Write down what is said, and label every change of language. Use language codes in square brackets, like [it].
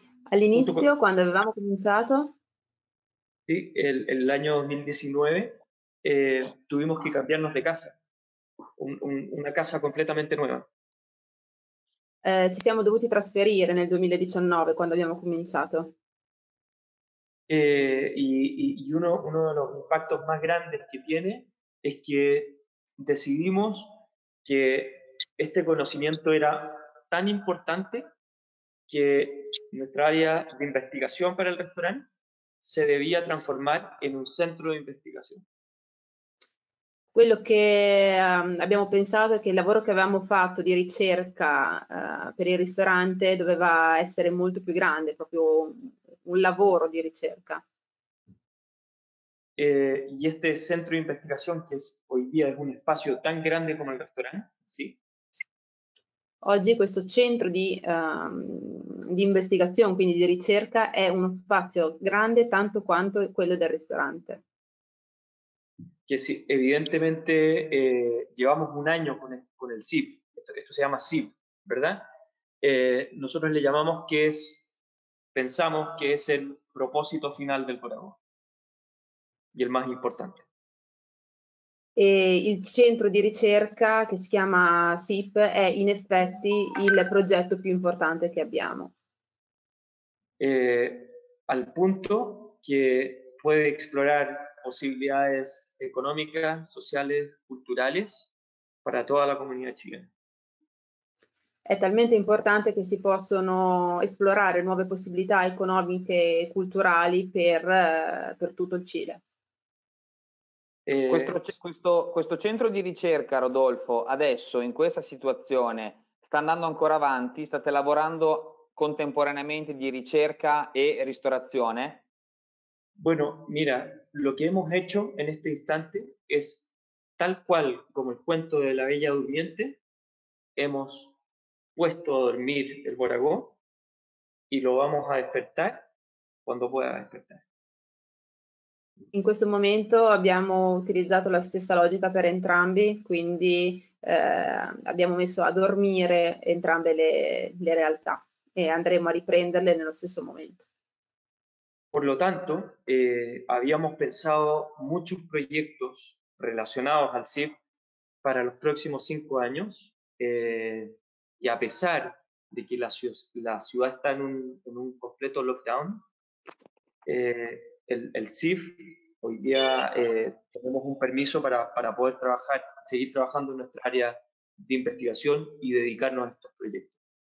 [it] All'inizio, quando avevamo cominciato? Sì, l'anno [es] 2019, tuvimos que cambiarnos de casa, una casa completamente nuova. [it] Ci siamo dovuti trasferire nel 2019 quando abbiamo cominciato. [es] Uno de los impactos más grandes que tiene es que decidimos que este conocimiento era tan importante que nuestra área de investigación para el restaurante se debía transformar en un centro de investigación. [it] Quello che abbiamo pensato è che il lavoro che avevamo fatto di ricerca per il ristorante doveva essere molto più grande, proprio un lavoro di ricerca. E questo centro di investigazione, che oggi in dia è un spazio tan grande come il ristorante, sì? Oggi questo centro di investigazione, quindi di ricerca, è uno spazio grande tanto quanto quello del ristorante. [es] Que sí, evidentemente llevamos un año con el CIP, esto se llama CIP, ¿verdad? Nosotros le llamamos pensamos que es el propósito final del programa y el más importante. [it] Il centro di ricerca che si chiama CIP è in effetti il progetto più importante che abbiamo. Al punto che [es] puede explorar posibilidades económicas, sociales, culturales para toda la comunidad chilena. [it] è talmente importante che si possono esplorare nuove possibilità economiche e culturali per tutto il Cile. Questo centro di ricerca, Rodolfo, adesso in questa situazione sta andando ancora avanti? State lavorando contemporaneamente di ricerca e ristorazione? [es] Bueno, mira, lo que hemos hecho en este instante es tal cual como el cuento de la Bella Durmiente. Hemos puesto a dormir el Boragó y lo vamos a despertar cuando pueda despertar. [it] In questo momento abbiamo utilizzato la stessa logica per entrambi, quindi abbiamo messo a dormire entrambe le realtà e andremo a riprenderle nello stesso momento. [es] Por lo tanto, habíamos pensado muchos proyectos relacionados al CIF para los próximos 5 años, y a pesar de que la ciudad está en un completo lockdown, el CIF hoy día tenemos un permiso para poder trabajar, seguir trabajando en nuestra área de investigación y dedicarnos a estos proyectos.